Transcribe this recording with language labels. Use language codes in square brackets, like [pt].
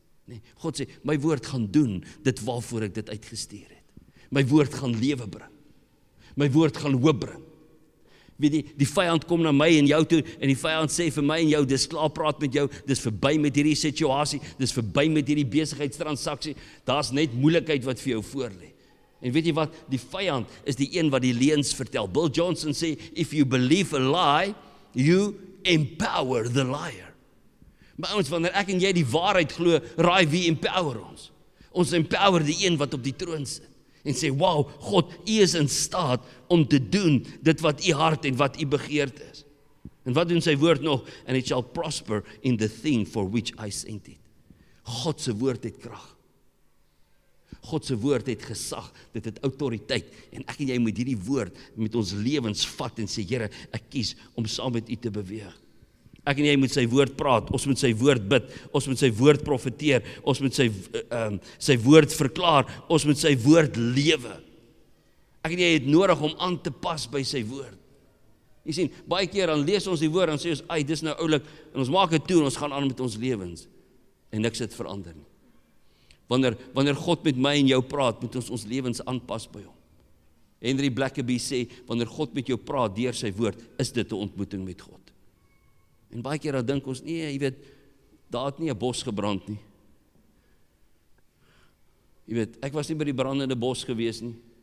[af] Nee, God sê, my woord gaan doen dit waarvoor ek dit uitgestuur het. My woord gaan lewe bring. My woord gaan hoop bring. Weet jy, die vyand kom na my en jou toe en die vyand sê vir my en jou, dis klaar, praat met jou, dis verby met hierdie situasie, dis verby met hierdie besigheidstransaksie, daar's net moeilikheid wat vir jou voorlê. En weet jy wat, die vyand is die een wat die leuns vertel. Bill Johnson sê, [en] if you believe a lie, you empower the liar. [af] Maar ons, wanneer ek en jy die waarheid glo, raai wie empower ons. Ons empower die een wat op die troon sit. En sê, wow, God, u is in staat om te doen dit wat u hart en wat u begeert is. En wat doen sy woord nog? [en] And it shall prosper in the thing for which I sent it. [af] God se woord het krag. God se woord het gesag, dit het autoriteit. En ek en jy moet hierdie woord met ons lewens vat en sê, Here, ek kies om saam met u te beweeg. Ek en jy moet sy woord praat, ons moet sy woord bid, ons moet sy woord profeteer, ons moet sy woord verklaar, ons moet sy woord lewe. Ek en jy het nodig om aan te pas by sy woord. Jy sien, baie keer dan lees ons die woord en sê ons, ai, dis nou oulik, en ons maak het toe en ons gaan aan met ons lewens. En niks het verander nie. Wanneer God met my en jou praat, moet ons lewens aanpas by hom. Henry Blackaby sê, wanneer God met jou praat deur sy woord, is dit 'n ontmoeting met God. En baie keer dan dink ons, nee, jy weet, daar het nie 'n bos gebrand nie. Jy weet, ek was nie by die brandende bos gewees nie.